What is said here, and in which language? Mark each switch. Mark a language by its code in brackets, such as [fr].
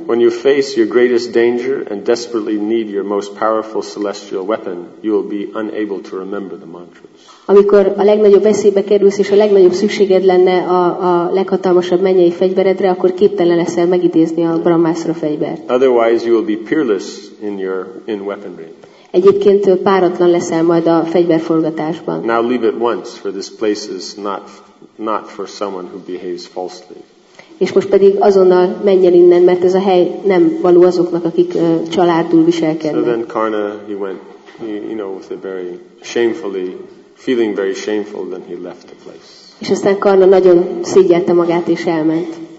[en] When you face your greatest danger and desperately need your most powerful celestial weapon, you will be unable to remember the mantras. [hu] Amikor a legnagyobb veszélybe kerülsz, és a legnagyobb szükséged lenne a leghatalmasabb mennyei fegyveredre, akkor képtelen leszel megidézni a Brahmasra fegyvert. [en] Otherwise you will be peerless in weaponry. [hu] Egyébként páratlan leszel majd a fegyverforgatásban. [en] Now leave it once, for this place is not for someone who behaves falsely. [hu] És most pedig azonnal menjen innen, mert ez a hely nem való azoknak, akik családul viselkednek. [en] So then Karna, he went, you know, with a very shamefully, feeling very shameful, then he left the place. [hu] És aztán Karna nagyon szégyelte magát és elment.